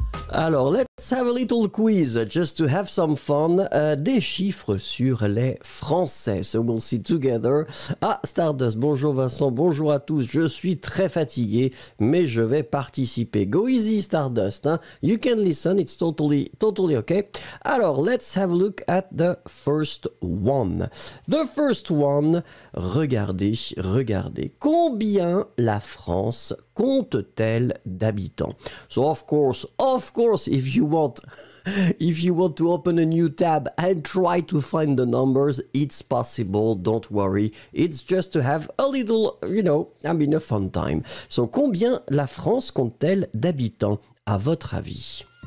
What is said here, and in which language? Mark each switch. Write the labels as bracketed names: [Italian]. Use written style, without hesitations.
[French] Alors, [English] let's have a little quiz, just to have some fun. [French] Des chiffres sur les Français. [English] So we'll see together. [French] Ah, Stardust, bonjour Vincent, bonjour à tous. Je suis très fatigué, mais je vais participer. [English] Go easy, Stardust. [French] Hein? [English] You can listen, it's totally okay. [French] Alors, [English] let's have a look at the first one. The first one, [French] regardez. Combien la France compte-t-elle d'habitants? [English] So of course, if you want to open a new tab and try to find the numbers, it's possible, don't worry. It's just to have a little, a fun time. So [French] combien la France compte-t-elle d'habitants, à votre avis?